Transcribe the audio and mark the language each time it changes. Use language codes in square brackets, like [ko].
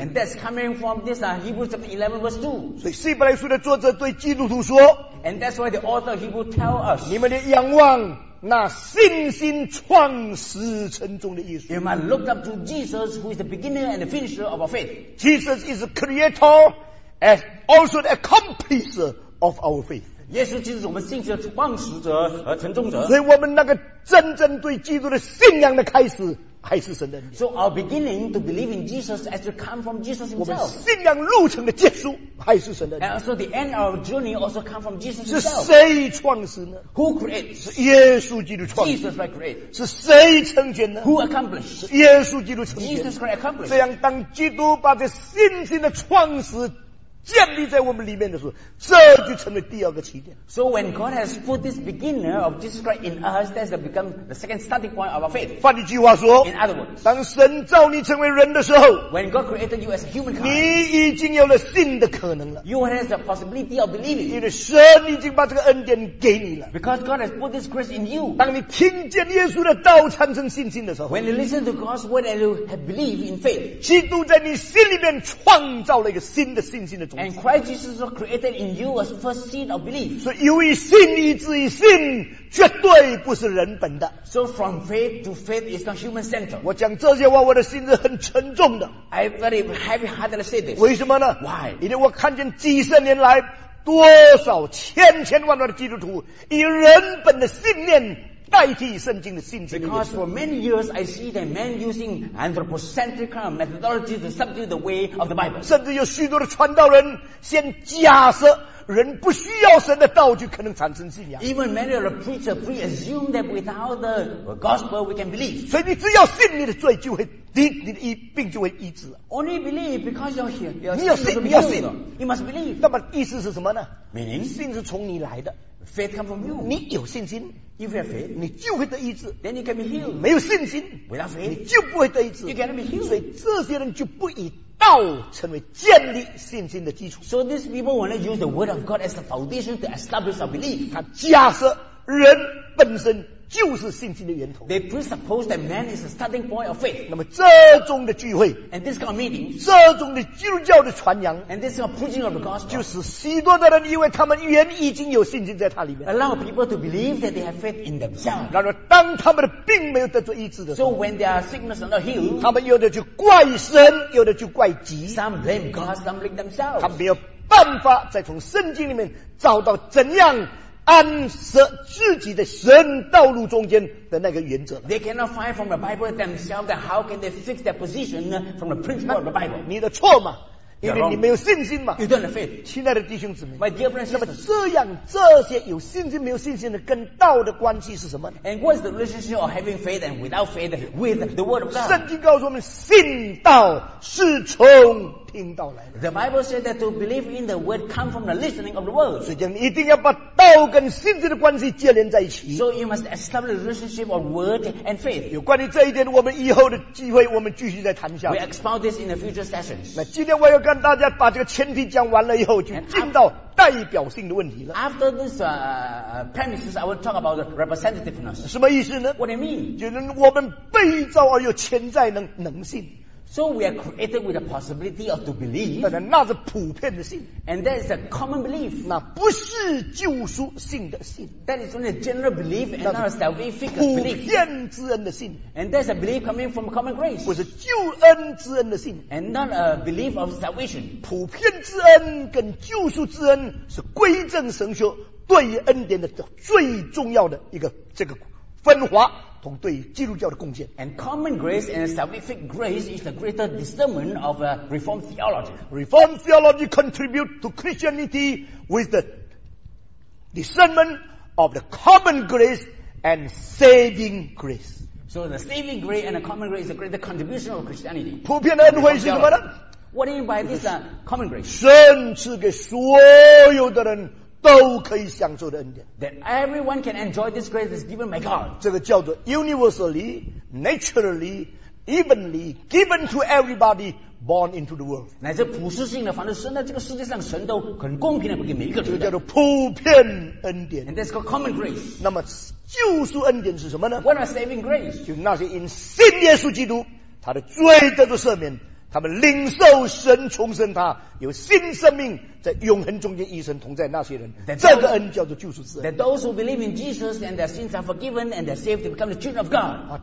[en] And that's coming from this Hebrews 11 verse 2. [zh] 所以希伯来书的作者对基督徒说, [en] And that's why the author of Hebrews tells us, [zh] 你们的仰望, 那信心创始成终的耶稣。 [en] You must look up to Jesus who is the beginner and the finisher of our faith. Jesus is the creator, as also the accomplisher of our faith. [zh] 耶稣其实是我们信心的创始者和成终者。所以我们那个真正对基督的信仰的开始还是神的恩典。 [en] So our beginning to believe in Jesus as to come from Jesus himself. [zh] 我们信仰路程的结束还是神的恩典。 [en] And also the end of our journey also come from Jesus himself. [zh] 是谁创始呢? [en] Who creates? [zh] 是耶稣基督创始。 [en] Jesus by creation. [zh] 是谁成全呢? [en] Who accomplished? [zh] 是耶稣基督成全。 [en] Jesus Christ accomplished. [zh] 这样当基督把这信心的创始 建立在我们里面的时候，这就成为第二个起点。 [en] So when God has put this beginner of Jesus Christ in us, that's become the second starting point of our faith. [zh] 换一句话说, [en] in other words, [zh] 当神造你成为人的时候, [en] when God created you as a human kind, [zh] 你已经有了信的可能了。 [en] You have the possibility of believing. [zh] 因为神已经把这个恩典给你了。 [en] Because God has put this grace in you. [zh] 当你听见耶稣的道产生信心的时候, [en] when you listen to God's word and you have believed in faith, [zh] 基督在你心里面创造了一个新的信心的。 [en] And Christ Jesus was created in you as first seed of belief. [zh] 所以由于信以至于信绝对不是人本的。 [en] So from faith to faith is not human centered. [zh] 我讲这些话我的心是很沉重的。 [en] I very heavy hearted say this. [zh] 为什么呢? [en] Why? [zh] 因为我看见几十年来多少千千万万的基督徒以人本的信念 [en] Because for many years I see that men using anthropocentric methodology to subdue the way of the Bible. [zh] 甚至有许多的传道人先假设 人不需要神的道就可能产生信仰。 [en] Even many of the preachers pre-assume that without the gospel we can believe. [zh] 所以你只要信你的罪就会你的病就会医治。 [en] Only believe because you're here. [zh] 你要信。 [en] You must believe. [zh] 那么意思是什么呢? [en] Meaning? [zh] 信是从你来的。 [en] Faith comes from you. [zh] 你有信心。 [en] If you have faith, [zh] 你就会得医治。 [en] Then you can be healed. [zh] 没有信心。 [en] Without faith, [zh] 你就不会得医治。 [en] You cannot be healed. [zh] 所以这些人就不以 道成为建立信心的基础。 [en] So these people want to use the word of God as the foundation to establish our belief. [zh] 他假设人本身就是信心的源头。 [en] They presuppose that man is the starting point of faith. [zh] 那么这种的聚会, [en] and this kind of meeting, [zh] 这种的基督教的传扬, [en] and this kind of preaching of the gospel, [zh] 就使许多的人因为他们原已经有信心在他里面, [en] allow people to believe that they have faith in themselves. [zh] 然而当他们的病没有得做医治的, [en] so when their sickness are not healed, [zh] 他们有的就怪神, 有的就怪己, [en] some blame God, some blame themselves. [zh] 他们没有办法再从圣经里面找到怎样 安设自己的神道路中间的那个原则。 [en] They cannot find from the Bible themselves that how can they fix their position from the principle of the Bible. [zh] 你的错嘛, 因为你没有信心嘛。 [en] You don't have faith. [zh] 亲爱的弟兄姊妹, [en] My dear friends, [zh] 那么这样这些有信心没有信心的 跟道的关系是什么呢? [en] And what is the relationship of having faith and without faith with the word of God? [zh] 圣经告诉我们, 信道是从 听到来的。 [en] The Bible says that to believe in the word come from the listening of the word. [zh] 所以一定要把道跟信心的关系接连在一起。 [en] So you must establish the relationship of word and faith. [zh] 有关于这一点我们以后的机会我们继续再谈一下。 [en] We expound this in the future sessions. [zh] 那今天我要跟大家把这个前提讲完了以后就进到代表性的问题了。 [en] After this premises, I will talk about the representativeness. [zh] 什么意思呢? [en] What do you mean? [zh] 就是我们被造而有潜在能性。 [en] So we are created with the possibility of to believe. [zh] 但是那是普遍的信, [en] and that is a common belief. [zh] 那不是救赎性的信, [en] that is only a general belief and not a salvific belief. [zh] 普遍之恩的信, [en] and that's a belief coming from common grace. [zh] 不是救恩之恩的信, [en] and not a belief of salvation. [zh] 普遍之恩跟救赎之恩是归正神学, 对于恩典的最重要的一个这个分化。 [en] And common grace and salvific grace is the greater discernment of Reformed theology. Reformed theology contributes to Christianity with the discernment of the common grace and saving grace. So the saving grace and the common grace is the greater contribution of Christianity. [zh] 普遍的恩惠是什么呢? [en] What do you mean by this common grace? [zh] 神赐给所有的人 都可以享受的恩典, [en] that everyone can enjoy this grace that's given by God. [zh] 这个叫做 [en] universally, naturally, evenly given to everybody born into the world. [zh] 乃至普世性的,反正生在这个世界上,神都很公平地给每一个人的, 这个叫做普遍恩典, [en] and that's called common grace. [zh] 那么救赎恩典是什么呢? [en] What are saving grace? [zh] 就那些因信耶稣基督, 他的罪得到赦免, 他们领受神重生他有新生命在永恒中间与神同在那些人, 这个恩叫做救赎之恩, [en] that those who believe in Jesus and their sins are forgiven and they're saved to become the children of God.